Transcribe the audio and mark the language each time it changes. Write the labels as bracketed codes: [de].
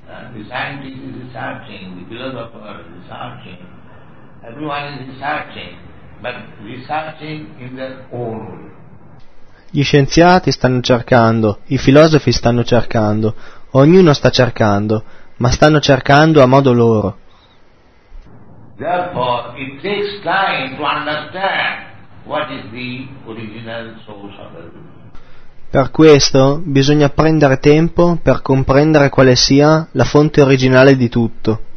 [en] The scientist is researching, the philosopher is researching, everyone is researching, but researching in their own way. [it] Gli scienziati stanno cercando, i filosofi stanno cercando, ognuno sta cercando, ma stanno cercando a modo loro. [en] Therefore, it takes time to understand what is the original source of everything. [it] Per questo bisogna prendere tempo per comprendere quale sia la fonte originale di tutto.